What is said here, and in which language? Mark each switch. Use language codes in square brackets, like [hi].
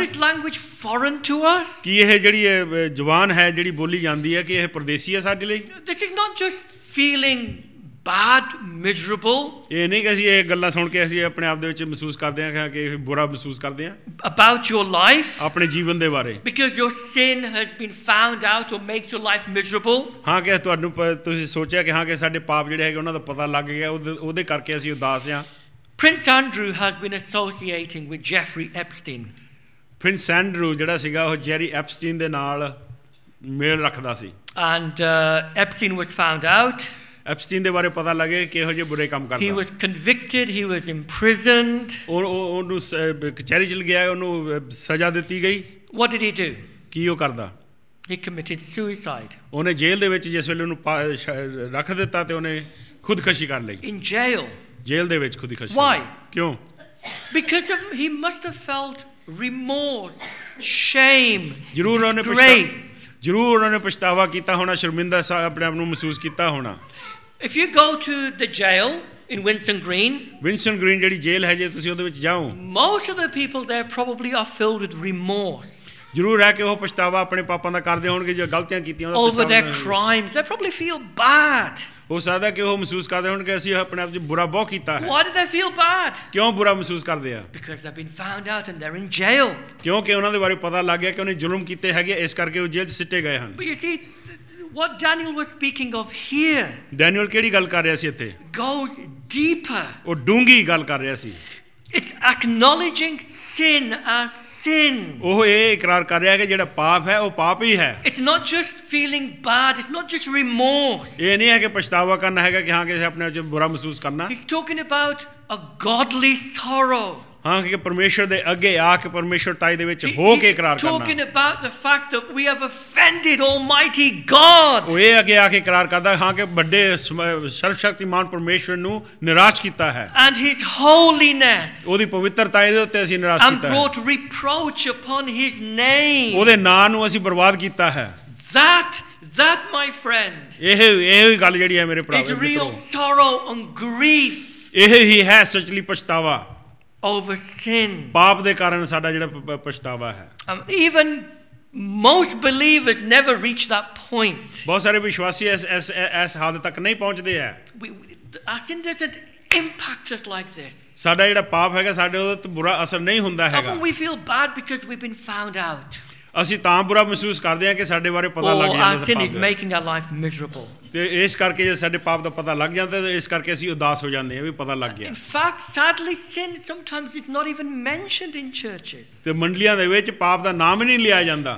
[en] Is this language foreign to us? [pa] ਕੀ ਇਹ ਜਿਹੜੀ ਜ਼ਬਾਨ ਹੈ ਜਿਹੜੀ ਬੋਲੀ ਜਾਂਦੀ ਹੈ ਕਿ ਇਹ ਪਰਦੇਸੀ ਹੈ ਸਾਡੇ ਲਈ? [en] This is not just feeling bad, miserable. [pa] ਇਹ ਨਹੀਂ ਕਿ ਅਸੀਂ ਇਹ ਗੱਲਾਂ ਸੁਣ ਕੇ ਅਸੀਂ ਆਪਣੇ ਆਪ ਦੇ ਵਿੱਚ ਮਹਿਸੂਸ ਕਰਦੇ ਹਾਂ ਕਿ ਬੁਰਾ ਮਹਿਸੂਸ ਕਰਦੇ ਹਾਂ. [en] About your life. [pa] ਆਪਣੇ ਜੀਵਨ ਦੇ ਬਾਰੇ. [en] Because your sin has been found out or makes your life miserable. [pa] ਹਾਂ ਕਿ ਤੁਹਾਨੂੰ ਤੁਸੀਂ ਸੋਚਿਆ ਕਿ ਹਾਂ ਕਿ ਸਾਡੇ ਪਾਪ ਜਿਹੜੇ ਹੈਗੇ ਉਹਨਾਂ ਦਾ ਪਤਾ ਲੱਗ ਗਿਆ, ਉਹਦੇ ਕਰਕੇ ਅਸੀਂ ਉਦਾਸ ਹਾਂ. [en] Prince Andrew has been associating with Jeffrey Epstein. [pa] Prince Andrew ਜਿਹੜਾ ਸੀਗਾ ਉਹ ਜੈਰੀ ਐਪਸਟੀਨ ਦੇ ਨਾਲ ਮੇਲ ਰੱਖਦਾ ਸੀ. [en] And Epstein was found out. [pa] Epstein ਦੇ ਬਾਰੇ ਪਤਾ ਲੱਗੇ ਕਿ ਇਹੋ ਜਿਹੇ ਬੁਰੇ ਕੰਮ ਕਰਦਾ. [en] He was convicted, he was imprisoned. [pa] ਉਹਨੂੰ ਕਚਹਿਰੀ ਚ ਗਿਆ, ਉਹਨੂੰ ਸਜ਼ਾ ਦਿੱਤੀ ਗਈ. [en] What did he do? [pa] ਕੀ ਉਹ ਕਰਦਾ? [en] He committed suicide. [pa] ਉਹਨੇ ਜੇਲ੍ਹ ਦੇ ਵਿੱਚ ਜਿਸ ਵੇਲੇ ਉਹਨੂੰ ਰੱਖ ਦਿੱਤਾ ਤੇ ਉਹਨੇ ਖੁਦਕੁਸ਼ੀ ਕਰ ਲਈ. [en] In jail. [pa] ਜੇਲ੍ਹ ਦੇ ਵਿੱਚ ਖੁਦਕੁਸ਼ੀ. [en] Why? [pa] ਕਿਉਂ? [en] Because he must have felt remorse, shame. [pa] ਜ਼ਰੂਰ ਉਹਨੇ ਪਛਤਾਵਾ ਜ਼ਰੂਰ ਉਹਨੇ ਪਛਤਾਵਾ ਕੀਤਾ ਹੋਣਾ, ਸ਼ਰਮਿੰਦਾ ਸਾ ਆਪਣੇ ਆਪ ਨੂੰ ਮਹਿਸੂਸ ਕੀਤਾ ਹੋਣਾ. [en] If you go to the jail in [pa] Winston Green ਜਿਹੜੀ ਜੇਲ੍ਹ ਹੈ, ਜੇ ਤੁਸੀਂ ਉਹਦੇ ਵਿੱਚ ਜਾਓ, [en] most of the people there probably are filled with remorse. [pa] ਜ਼ਰੂਰ ਹੈ ਕਿ ਉਹ ਪਛਤਾਵਾ ਆਪਣੇ ਪਾਪਾਂ ਦਾ ਕਰਦੇ ਹੋਣਗੇ, ਜੋ ਗਲਤੀਆਂ ਕੀਤੀਆਂ. [en] Over their crimes, they probably feel bad. [pa] ਹੋ ਸਕਦਾ ਕਿ ਉਹ ਮਹਿਸੂਸ ਕਰਦੇ ਹੋਣਗੇ ਅਸੀਂ ਆਪਣੇ ਆਪ 'ਚ ਬੁਰਾ ਬਹੁਤ ਕੀਤਾ ਹੈ. [en] Why do they feel bad? [pa] ਕਿਉਂ ਬੁਰਾ ਮਹਿਸੂਸ ਕਰਦੇ ਆ? [en] Because they've been found out and they're in jail. [pa] ਕਿਉਂਕਿ ਉਹਨਾਂ ਦੇ ਬਾਰੇ ਪਤਾ ਲੱਗ ਗਿਆ ਕਿ ਉਹਨੇ ਜ਼ੁਲਮ ਕੀਤੇ ਹੈਗੇ, ਇਸ ਕਰਕੇ ਉਹ ਜੇਲ੍ਹ 'ਚ ਸਿੱਟੇ ਗਏ ਹਨ. [en] But you see, what Daniel was speaking of here. [pa] Daniel ਕਿਹੜੀ ਗੱਲ ਕਰ ਰਿਹਾ ਸੀ ਇੱਥੇ? [en] Goes deeper. [pa] ਉਹ ਡੂੰਗੀ ਗੱਲ ਕਰ ਰਿਹਾ ਸੀ. [en] It's acknowledging sin as sin. [pa] ਉਹ ਇਹ ਇਕਰਾਰ ਕਰ ਰਿਹਾ ਹੈ ਕਿ ਜਿਹੜਾ ਪਾਪ ਹੈ ਉਹ ਪਾਪ ਹੀ ਹੈ. [en] It's not just feeling bad, it's not just remorse. [pa] ਇਹ ਨਹੀਂ ਹੈ ਕਿ ਪਛਤਾਵਾ ਕਰਨਾ ਹੈਗਾ ਕਿ ਹਾਂ ਕਿ ਆਪਣੇ ਵਿੱਚ ਬੁਰਾ ਮਹਿਸੂਸ ਕਰਨਾ. [en] He's talking about a godly sorrow. [pa] ਹਾਂ, ਕਿ ਪਰਮੇਸ਼ਰ ਦੇ ਅੱਗੇ ਆ ਕੇ ਪਰਮੇਸ਼ਰ ਤਾਈ ਦੇ ਵਿੱਚ ਹੋ ਕੇ ਇਕਰਾਰ ਕਰਨਾ. [en] Talking about the fact that we have offended almighty God. [pa] ਉਹ ਇਹ ਅੱਗੇ ਆ ਕੇ ਇਕਰਾਰ ਕਰਦਾ ਹਾਂ ਕਿ ਵੱਡੇ ਸਰਵਸ਼ਕਤੀਮਾਨ ਪਰਮੇਸ਼ਰ ਨੂੰ ਨਿਰਾਸ਼ ਕੀਤਾ ਹੈ. [en] And his holiness. [pa] ਉਹਦੀ ਪਵਿੱਤਰਤਾਈ ਦੇ ਉੱਤੇ ਅਸੀਂ ਨਿਰਾਸ਼ ਕੀਤਾ ਹੈ. [en] And brought reproach upon his name. [pa] ਉਹਦੇ ਨਾਂ ਨੂੰ ਅਸੀਂ ਬਰਬਾਦ ਕੀਤਾ ਹੈ. [en] That my friend. [pa] ਇਹ ਗੱਲ ਜਿਹੜੀ ਹੈ ਮੇਰੇ ਭਰਾ ਮਿੱਤਰੋ. [en] It's real sorrow and grief. [pa] ਇਹ ਹੀ ਹੈ ਸੱਚੀ ਪਛਤਾਵਾ. [en] Over sin. [pa] ਪਾਪ ਦੇ ਕਾਰਨ ਸਾਡਾ ਜਿਹੜਾ ਪਛਤਾਵਾ ਹੈ. [en] Even most believers never reach that point. [pa] ਬਹੁਤ ਸਾਰੇ ਵਿਸ਼ਵਾਸੀ ਇਸ ਹੱਦ ਤੱਕ ਨਹੀਂ ਪਹੁੰਚਦੇ ਹੈ. [en] Our sin doesn't impact us like this. [pa] ਸਾਡਾ ਜਿਹੜਾ ਪਾਪ ਹੈਗਾ ਸਾਡੇ ਉਹਦੇ ਤੇ ਬੁਰਾ ਅਸਰ ਨਹੀਂ ਹੁੰਦਾ ਹੈਗਾ. [en] Often we feel bad because we've been found out. [pa] ਅਸੀਂ ਤਾਂ ਬੁਰਾ ਮਹਿਸੂਸ ਕਰਦੇ ਹਾਂ ਕਿ ਸਾਡੇ ਬਾਰੇ ਪਤਾ ਲੱਗ ਗਿਆ ਹੈ. [en] Our sin is making our life miserable. [pa] ਤੇ ਇਸ ਕਰਕੇ ਜੇ ਸਾਡੇ ਪਾਪ ਦਾ ਪਤਾ ਲੱਗ ਜਾਂਦਾ ਤਾਂ ਇਸ ਕਰਕੇ ਅਸੀਂ ਉਦਾਸ ਹੋ ਜਾਂਦੇ ਹਾਂ ਵੀ ਪਤਾ ਲੱਗ ਗਿਆ। [en] In fact sadly sin sometimes is not even mentioned in churches. [pa] ਤੇ ਮੰਡਲੀਆਂ ਦੇ ਵਿੱਚ ਪਾਪ ਦਾ ਨਾਮ ਹੀ ਨਹੀਂ ਲਿਆ ਜਾਂਦਾ।